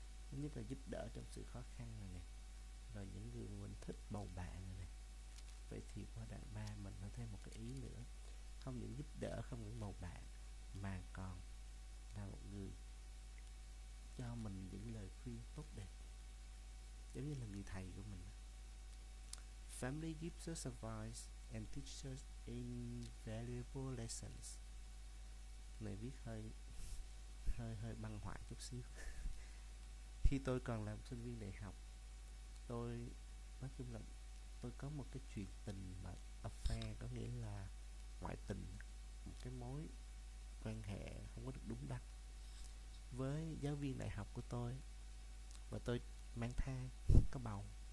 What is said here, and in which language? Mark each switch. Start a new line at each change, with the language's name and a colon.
Vietnamese: Thứ nhất là giúp đỡ trong sự khó khăn này nè, rồi những người mình thích bầu bạn này nè. Vậy thì qua đoạn ba mình có thêm một cái ý nữa, không những giúp đỡ, không những bầu bạn, mà còn là một người cho mình những lời khuyên tốt đẹp, giống như là người thầy của mình.
English: Family gives us advice and teaches us invaluable lessons.
Vietnamese: Này viết hơi băng hoại chút xíu. Khi tôi còn làm sinh viên đại học, tôi nói chung là tôi có một cái chuyện tình mà affair, có nghĩa là ngoại tình, một cái mối quan hệ không có được đúng đắn với giáo viên đại học của tôi, và tôi mang thai, có bầu.